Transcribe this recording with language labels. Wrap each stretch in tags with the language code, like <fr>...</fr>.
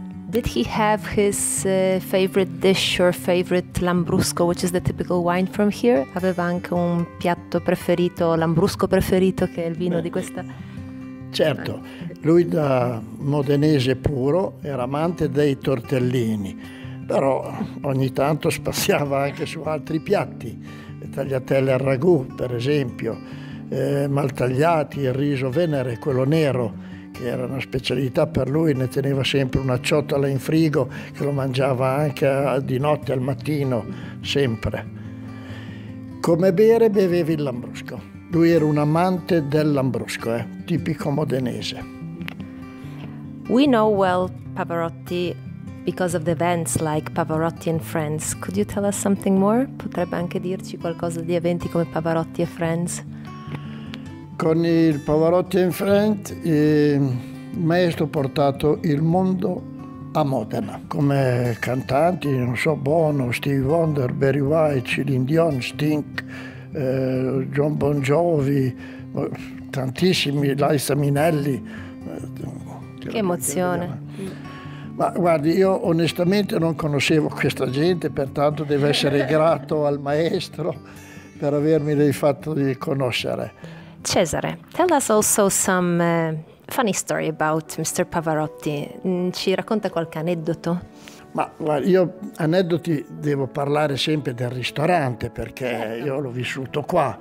<en>Did he have his favorite dish or favorite lambrusco, which is the typical wine from here?</en> <it>Aveva anche un piatto preferito, lambrusco preferito, che è il vino di questa? Certo, lui da modenese puro era amante dei tortellini, però ogni tanto spaziava anche su altri piatti, le tagliatelle al ragù, per esempio, maltagliati, il riso venere, quello nero, che era una specialità per lui, ne teneva sempre una ciotola in frigo che lo mangiava anche di notte, al mattino, sempre. Come bere beveva il lambrusco. Lui era un amante del lambrusco, tipico modenese.</it> <en>We know well Pavarotti because of the events like Pavarotti and Friends. Could you tell us something more?</en> <it>Potrebbe anche dirci qualcosa di eventi come Pavarotti e Friends? Con il Pavarotti and Friends, il maestro ha portato il mondo a Modena. Come cantanti, non so, Bono, Stevie Wonder, Barry White, Celine Dion, Sting, John Bon Jovi, tantissimi, Liza Minnelli. Che emozione. Ma guardi, io onestamente non conoscevo questa gente, pertanto deve essere grato al maestro per avermi fatto conoscere.</it> <en>Cesare, tell us also some funny story about Mr.</en> <it>Pavarotti. Ci racconta qualche aneddoto? Ma guarda, io aneddoti devo parlare sempre del ristorante perché io l'ho vissuto qua.</it>